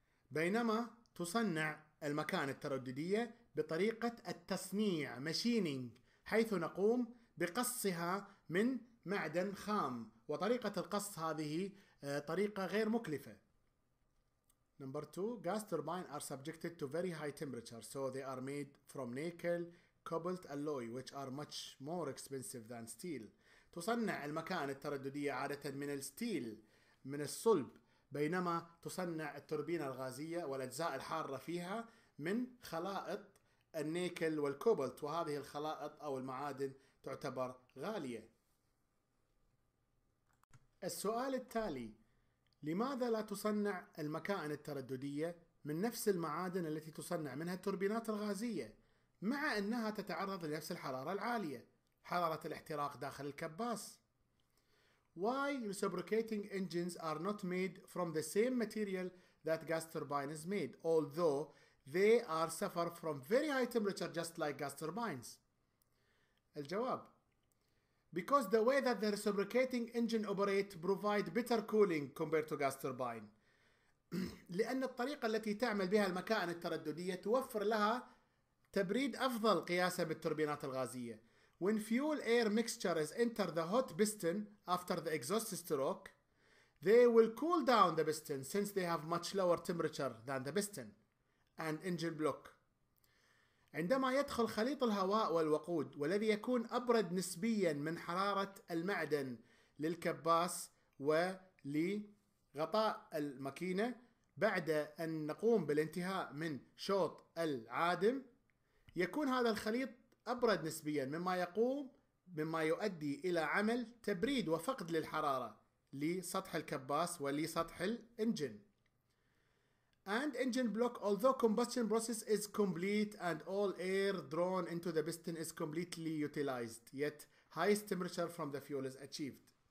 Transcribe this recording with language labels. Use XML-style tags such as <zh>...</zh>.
<ar>بينما تصنع المكان الترددية بطريقة التصنيع ماشينينج، حيث نقوم بقصها من معدن خام، وطريقة القص هذه طريقة غير مكلفة.</ar> <en>Number two, gas turbine are subjected to very high temperature, so they are made from nickel, cobalt alloy which are much more expensive than steel.</en> <ar>تصنع المكان الترددية عادة من الستيل من الصلب بينما تصنع التوربينة الغازية والأجزاء الحارة فيها من خلائط النيكل والكوبلت وهذه الخلائط أو المعادن تعتبر غالية. السؤال التالي لماذا لا تصنع المكائن الترددية من نفس المعادن التي تصنع منها التوربينات الغازية مع أنها تتعرض لنفس الحرارة العالية حرارة الاحتراق داخل الكباس؟</ar> <en>Why reciprocating engines are not made from the same material that gas turbine is made, although they are suffer from very high temperature just like gas turbines?</en> <ar>الجواب</ar> <en>Because the way that the reciprocating engine operate provide better cooling compared to gas turbine.</en> <ar>لأن الطريقة التي تعمل بها المكائن الترددية توفر لها تبريد أفضل قياسا بالتوربينات الغازية.</ar> <en>When fuel air mixture is enter the hot piston after the exhaust stroke, they will cool down the piston since they have much lower temperature than the piston and engine block.</en> <ar>عندما يدخل خليط الهواء والوقود والذي يكون أبرد نسبيا من حرارة المعدن للكباس ولغطاء الماكينة بعد أن نقوم بالانتهاء من شوط العادم يكون هذا الخليط أبرد نسبيا مما يؤدي إلى عمل تبريد وفقد للحرارة لسطح الكباس ولسطح الإنجن.</ar> <en>And engine block, although combustion process is complete and all air drawn into the piston is completely utilized, yet highest temperature from the fuel is achieved.</en>